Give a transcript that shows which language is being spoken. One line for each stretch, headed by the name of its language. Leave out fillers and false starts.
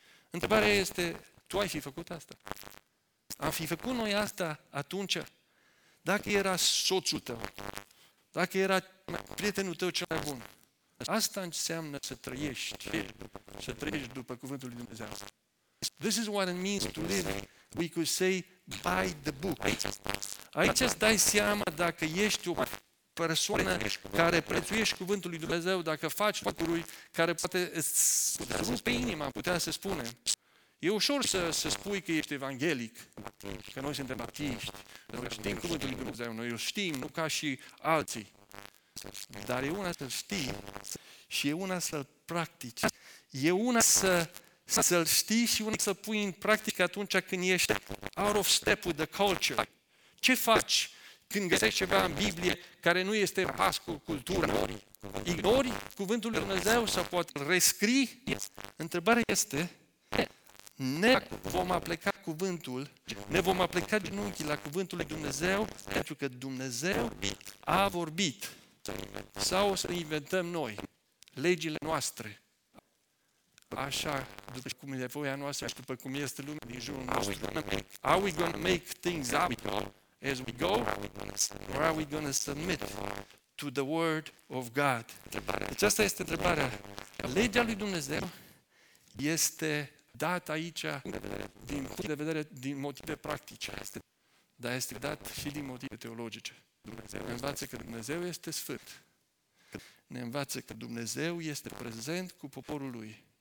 Romanian: Întrebarea este, tu ai fi făcut asta? Am fi făcut noi asta atunci? Dacă era soțul tău, dacă era prietenul tău cel mai bun, asta înseamnă să trăiești, să trăiești după cuvântul lui Dumnezeu.
English: This is what it means to live, we could say, by the book.
Romanian: Aici îți dai seama dacă ești o persoană care prețuiești cuvântul lui Dumnezeu, dacă faci lucruri care poate îți rupe inima, putea să spunem. E ușor să spui că ești evanghelic, că noi suntem baptiști, noi știm cuvântul lui Dumnezeu, noi îl știm, nu ca și alții. Dar e una să-l știi și e una să-l practici. E una să-l știi și una să-l pui în practică atunci când ești
English: out of step with the culture.
Romanian: Ce faci când găsești ceva în Biblie care nu este în pas cu cultura? Ignori cuvântul lui Dumnezeu sau poate rescrii? Întrebarea este, ne vom apleca cuvântul, ne vom apleca genunchii la cuvântul lui Dumnezeu, pentru că Dumnezeu a vorbit. Sau o să inventăm noi legile noastre, așa, după cum e voia noastră și după cum este lumea din jurul nostru.
English: Are we going to make things up as we go? Or are we going to submit to the word of God?
Romanian: Deci asta este întrebarea. Legea lui Dumnezeu este dat aici din punct de vedere din motive practice. Dar este dat și din motive teologice. Ne învață că Dumnezeu este sfânt. Ne învață că Dumnezeu este prezent cu poporul lui.